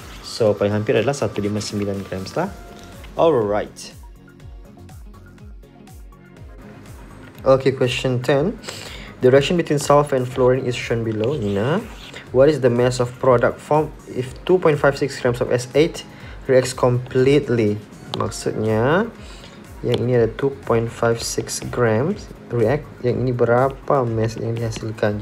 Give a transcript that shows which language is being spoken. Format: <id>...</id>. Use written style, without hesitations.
<ms>So paling hampir adalah 159 grams lah.</ms> <en>Alright. Okay, question 10. The reaction between sulfur and fluorine is shown below. Nina, What is the mass of product formed if 2.56 grams of S8 reacts completely?</en> <ms>Maksudnya, yang ini ada 2.56 grams react, yang ini berapa mass yang dihasilkan?</ms>